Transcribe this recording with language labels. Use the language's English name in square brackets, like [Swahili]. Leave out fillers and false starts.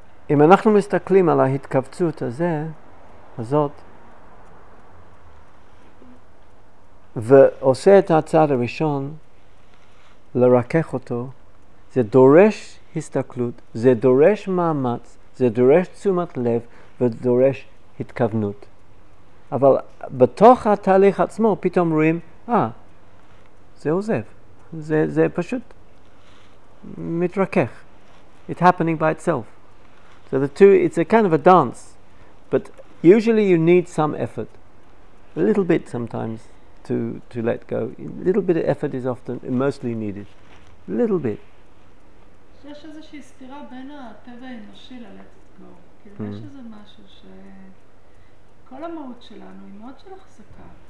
[Hebrew] אם אנחנו מסתכלים על ההתכווצות הזאת, ועושה את הצעד הראשון לרכך אותו, זה דורש הסתכלות, זה דורש מאמץ, זה דורש תשומת לב, ודורש התכוונות. אבל בתוך התהליך עצמו פתאום רואים, זה עוזב, זה פשוט מתרכך. [English] It's happening by itself. So the two, it's a kind of a dance, but usually you need some effort, a little bit sometimes to let go. A little bit of effort is often, mostly needed, a little bit. [Hebrew] יש איזושהי סתירה בין הטבע האנושי ל-let go. כאילו יש איזה משהו שכל המהות שלנו היא מאוד של החזקה,